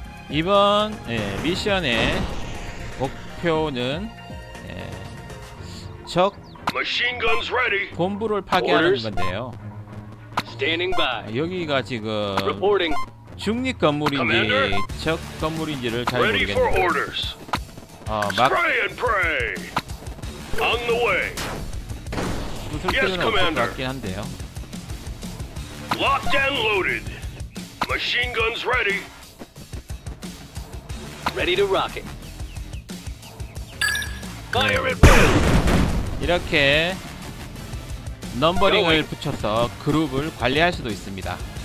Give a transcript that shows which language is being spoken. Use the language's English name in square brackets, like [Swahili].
[Korean] 이번 예, 미션의 목표는 예, 적 [English] Machine guns ready. [Korean] 본부를 파괴하는 건데요. [English] Standing by. [Korean] 여기가 지금 [English] Reporting. [Korean] 중립 건물인지 [English] Commander? [Korean] 적 건물인지를 잘 모르겠는데. [English] 어, 막 Spray and pray. On the way. [Korean] 무슨 뜻인지 알 것 같긴 한데요. [English] Locked and loaded. Machine guns ready. Ready to rocket. Fire it! [Korean] 이렇게 넘버링을 붙여서 그룹을 관리할 수도 있습니다.